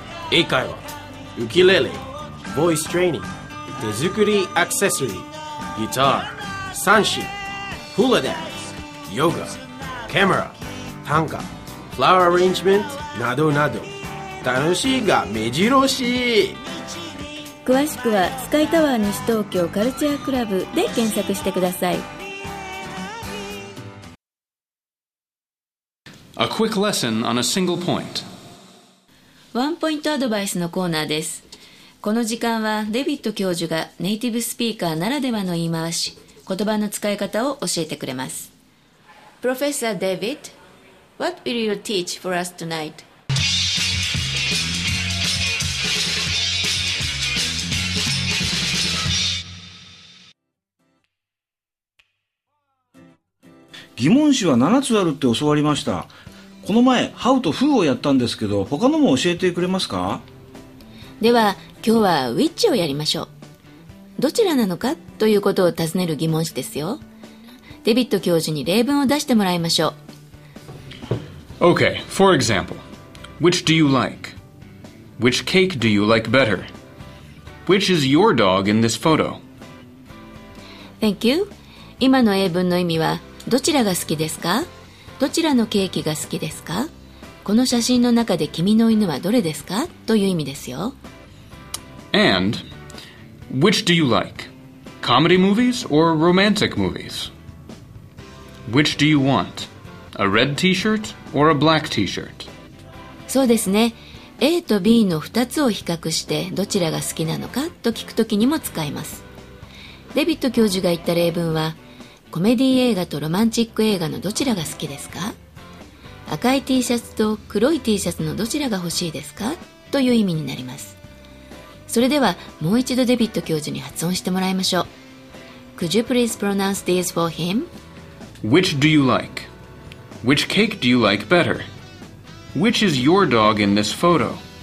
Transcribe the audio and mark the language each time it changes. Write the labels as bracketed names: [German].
[Japanese] 英会話、ウキレレ、ボイストレーニング、手作りアクセサリー、ギター、三振、フーラダンス、ヨガ、カメラ、短歌、フラワーアレンジメントなどなど、楽しいが目白押し。詳しくはスカイタワー西東京カルチャークラブで検索してください。 [English] A quick lesson on a single point. [Japanese] ワンポイントアドバイスのコーナーです。この時間はデビッド教授がネイティブスピーカーならではの言い回し、言葉の使い方を教えてくれます。 [English] Professor David, what will you teach for us tonight? [Japanese] 疑問詞は7つあるって教わりました。この前 How と Who をやったんですけど、他のも教えてくれますか？では今日は Which をやりましょう。どちらなのかということを尋ねる疑問詞ですよ。デビッド教授に例文を出してもらいましょう。 [English] OK, for example, Which do you like? Which cake do you like better? Which is your dog in this photo? Thank you. [Japanese] 今の英文の意味はどちらが好きですか？どちらのケーキが好きですか？この写真の中で君の犬はどれですか？という意味ですよ。 [English] And which do you like? Comedy movies or romantic movies? Which do you want? A red t-shirt or a black t-shirt? [Japanese] そうですね。 A と B の2つを比較してどちらが好きなのかと聞くときにも使います。デビッド教授が言った例文は、コメディ映画とロマンチック映画のどちらが好きですか？赤い T シャツと黒い T シャツのどちらが欲しいですか？という意味になります。それではもう一度デビッド教授に発音してもらいましょう。 [English] Could you please pronounce these for him? Which do you like? Which cake do you like better? Which is your dog in this photo?